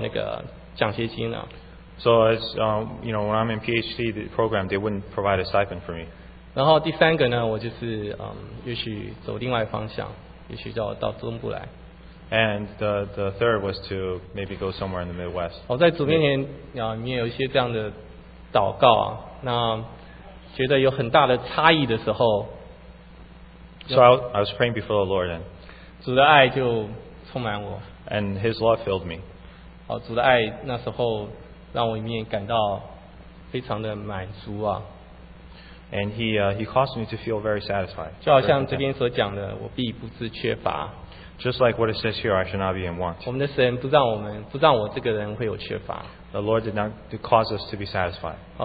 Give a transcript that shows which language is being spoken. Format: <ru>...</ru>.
<zh>但是我博士学位有一个很奇怪的现象，为什么要打工？因为他不给我那个奖学金呢。</zh> <en>So it's you know, when I'm in PhD program, they wouldn't provide a stipend for me.</en> <zh>然后第三个呢，我就是也许走另外方向，也许到中部来。</zh> <en>And the third was to maybe go somewhere in the Midwest.</en> <zh>我在主面前，你也有一些这样的祷告啊，那觉得有很大的差异的时候。</zh> <en>So I was praying before the Lord, and</en> <zh>主的爱就充满我。</zh> <en>And His love filled me.</en> <zh>好，主的爱那时候让我一面感到非常的满足啊。</zh> <en>And he caused me to feel very satisfied.</en> <zh>就好像这边所讲的，我必不致缺乏。</zh> <en>Just like what it says here, I should not be in want.</en> <zh>我们的神不让我这个人会有缺乏。</zh> <en>The Lord did not cause us to be satisfied.</en>